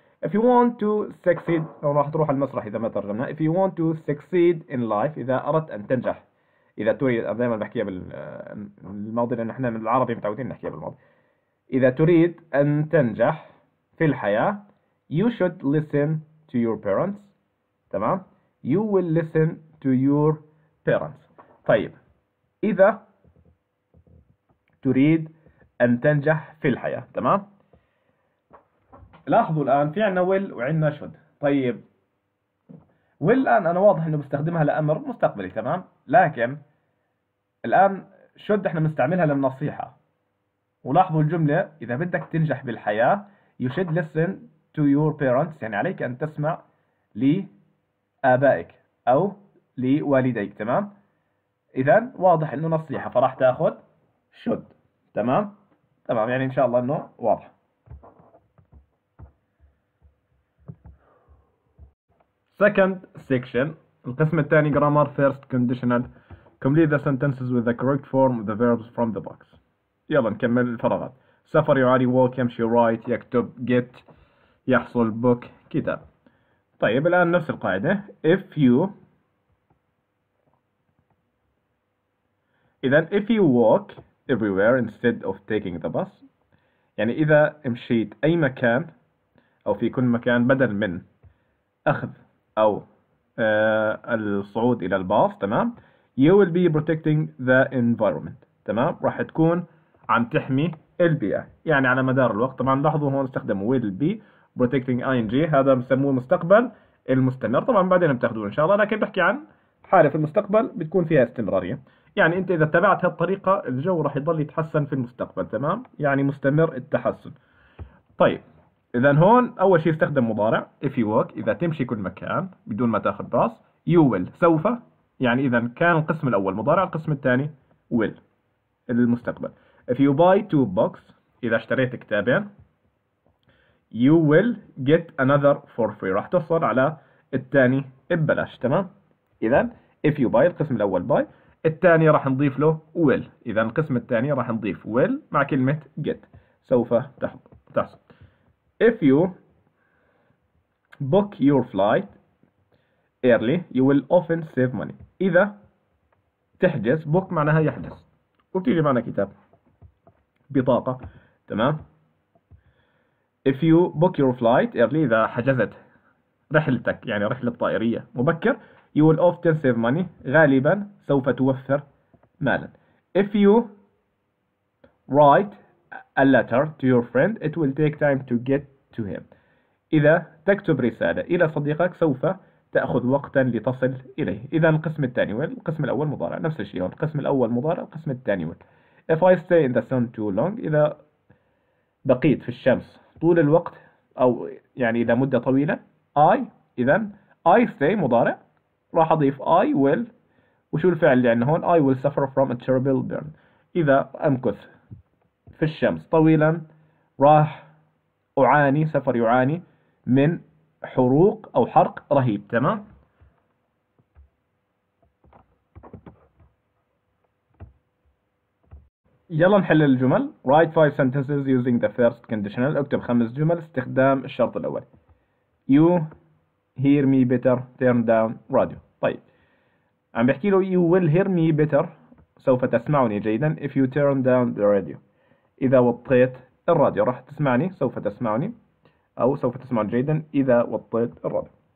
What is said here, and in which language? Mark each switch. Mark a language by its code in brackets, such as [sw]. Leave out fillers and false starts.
[en] If you want to succeed [ar] او راح تروح المسرح اذا ما ترجمنا [en] if you want to succeed in life [ar] اذا اردت ان تنجح اذا تريد دائما بحكيها بالماضي لان احنا من العربي متعودين نحكيها بالماضي اذا تريد ان تنجح في الحياه [en] you should listen to your parents [ar] تمام. [en] You will listen to your parents. [ar] طيب اذا تريد ان تنجح في الحياه تمام. لاحظوا الان في عندنا will وعندنا should. طيب will الان انا واضح انه بستخدمها لامر مستقبلي تمام. لكن الان should احنا بنستعملها للنصيحه. ولاحظوا الجمله اذا بدك تنجح بالحياه [en] you should listen to your parents [ar] يعني عليك ان تسمع لابائك او لوالديك تمام. اذا واضح انه نصيحه فراح تاخذ should تمام. تمام يعني ان شاء الله انه واضح. [en] Second section [ar] القسم الثاني [en] grammar first conditional complete the sentences with the correct form of the verbs from the box. [ar] يلا نكمل الفراغات. سفر يعاني walk يمشي write يكتب get يحصل book كتاب. طيب الآن نفس القاعدة if you إذا [en] if you walk everywhere instead of taking the bus [ar] يعني إذا مشيت أي مكان أو في كل مكان بدل من أخذ أو الصعود إلى الباص تمام [en] you will be protecting the environment [ar] تمام راح تكون عم تحمي البيئة يعني على مدار الوقت. طبعا لاحظوا هون استخدموا [en] will be protecting [ar] ing هذا بسموه مستقبل المستمر طبعا بعدين بتاخذوه إن شاء الله لكن بحكي عن حالة في المستقبل بتكون فيها استمرارية يعني أنت إذا اتبعت هالطريقة الجو راح يضل يتحسن في المستقبل تمام يعني مستمر التحسن. طيب إذا هون أول شيء استخدم مضارع [en] if you walk [ar] إذا تمشي كل مكان بدون ما تأخذ باص [en] you will [ar] سوف يعني إذا كان القسم الأول مضارع القسم الثاني will المستقبل. [en] If you buy two books [ar] إذا اشتريت كتابين [en] you will get another for free [ar] راح تحصل على الثاني ببلاش تمام. إذا [en] if you buy [ar] القسم الأول buy الثاني راح نضيف له will إذا القسم الثاني راح نضيف will مع كلمة get سوف تحصل. [en] If you book your flight early, you will often save money. [ar] إذا تحجز book معناها يحجز. وبتيجي معنا كتاب بطاقة تمام. [en] If you book your flight early, [ar] إذا حجزت رحلتك يعني رحلة طائرية مبكر, [en] you will often save money. [ar] غالبا سوف توفر مالا. [en] If you write a letter to your friend, it will take time to get to him. [ar] إذا تكتب رسالة إلى صديقك سوف تأخذ وقتا لتصل إليه. إذا القسم الثاني والقسم الأول مضارع نفس الشيء هون. القسم الأول مضارع القسم الثاني وال. [en] If I stay in the sun too long [ar] إذا بقيت في الشمس طول الوقت أو يعني إذا مدة طويلة I إذا I stay مضارع راح أضيف I will وشو الفعل اللي عندنا هون [en] I will suffer from a terrible burn [ar] إذا أمكث في الشمس طويلا راح أعاني سفر يعاني من حروق أو حرق رهيب تمام. يلا نحلل الجمل. [en] Write five sentences using the first conditional. [ar] اكتب خمس جمل استخدام الشرط الأول. [en] You hear me better, turn down radio. [ar] طيب عم بحكي له [en] You will hear me better, [ar] سوف تسمعني جيدا, [en] if you turn down the radio, [ar] إذا وطيت الراديو راح تسمعني, سوف تسمعني أو سوف تسمعني جيدا إذا وطيت الراديو.